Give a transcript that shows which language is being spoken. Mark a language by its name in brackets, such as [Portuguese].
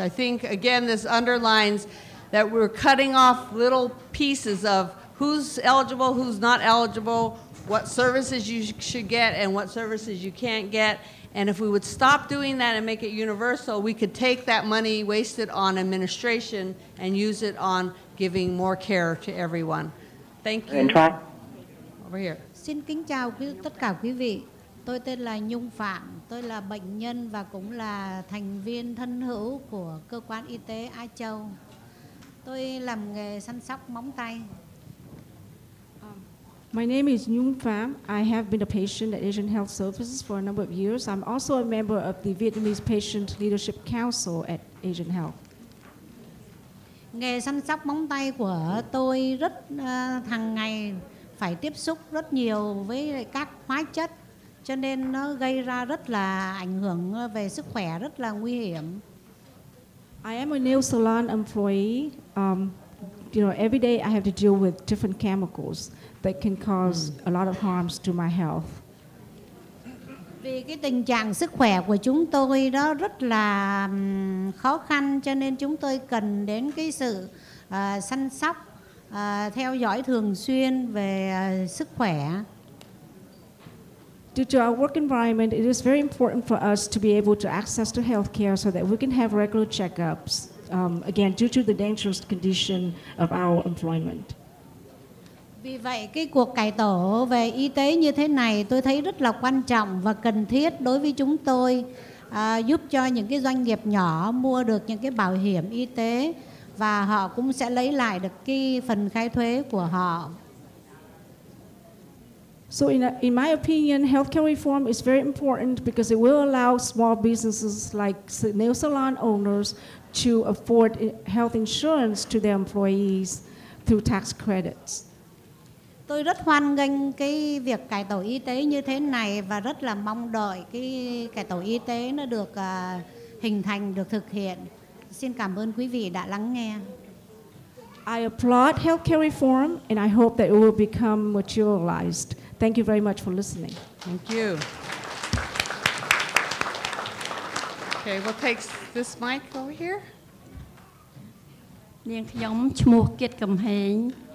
[English] I think, again, this underlines that we're cutting off little pieces of who's eligible, who's not eligible, what services you should get and what services you can't get. And if we would stop doing that and make it universal, we could take that money wasted on administration and use it on giving more care to everyone. Thank you. Over here. [Vietnamese] Xin kính chào tất cả quý vị. Tôi tên là Nhung Phạm. Tôi là bệnh nhân và cũng là thành viên thân hữu của cơ quan y tế A Châu. Tôi làm nghề săn sóc móng tay. [English] My name is Nhung Pham. I have been a patient at Asian Health Services for a number of years. I'm also a member of the Vietnamese Patient Leadership Council at Asian Health. [Vietnamese] Nghề săn sóc móng tay của tôi rất hàng ngày phải tiếp xúc rất nhiều với các hóa chất, cho nên nó gây ra rất là ảnh hưởng về sức khỏe, rất là nguy hiểm. [English] I am a nail salon employee. you know, every day I have to deal with different chemicals that can cause a lot of harms to my health. [Vietnamese] Vì cái tình trạng sức khỏe của chúng tôi đó rất là khó khăn, cho nên chúng tôi cần đến cái sự săn sóc, theo dõi thường xuyên về sức khỏe. [English] Due to our work environment, it is very important for us to be able to access to healthcare so that we can have regular checkups, again, due to the dangerous condition of our employment. [Vietnamese] Vì vậy, cái cuộc cải tổ về y tế như thế này tôi thấy rất là quan trọng và cần thiết đối với chúng tôi, giúp cho những cái doanh nghiệp nhỏ mua được những cái bảo hiểm y tế và họ cũng sẽ lấy lại được cái phần khai thuế của họ. [English] So in my opinion, healthcare reform is very important because it will allow small businesses like nail salon owners to afford health insurance to their employees through tax credits. [Vietnamese] Tôi rất hoan nghênh cái việc cải tổ y tế như thế này và rất là mong đợi cái cải tổ y tế nó được hình thành, được thực hiện. Xin cảm ơn quý vị đã lắng nghe. [English] I applaud healthcare reform and I hope that it will become materialized. Thank you very much for listening. Thank you. Okay, we'll take this mic over here. [Khmer] Nien khyom chmuh Kit Kam Haeng.